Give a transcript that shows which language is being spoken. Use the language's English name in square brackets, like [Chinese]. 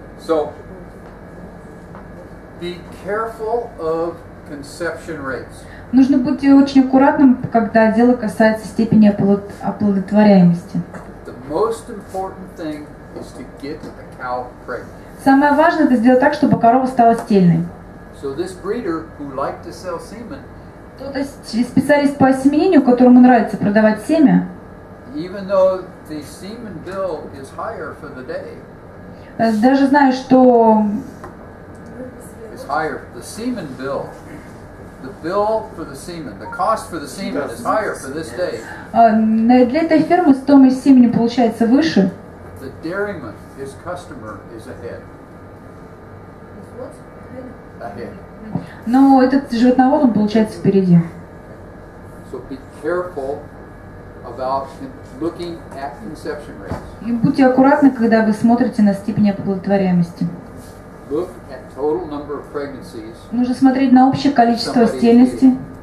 [English] So, be careful of conception rates. [Russian] Нужно быть очень аккуратным, когда дело касается степени оплодотворяемости. [English] The most important thing is to get a cow pregnant. [Russian] Самое важное – это сделать так, чтобы корова стала стерильной. [English] So this breeder who liked to sell semen. [Russian] Тот специалист по осеменению, которому нравится продавать семя. [English] Even though the semen bill is higher for the day. [Russian] Даже знаю, что [English] is higher the semen bill. The bill for the semen, the cost for the semen is higher for this day. [Russian] Для этой фермы стоимость семени получается выше. [English] The dairyman, his customer is ahead. Ahead. [Russian] Но этот животновод, он получается впереди. [English] So be careful about looking at conception rates. [Russian] И будьте аккуратны, когда вы смотрите на степень оплодотворяемости. [English] Look at total number of pregnancies. [Russian] Нужно смотреть на общее количество стерильности.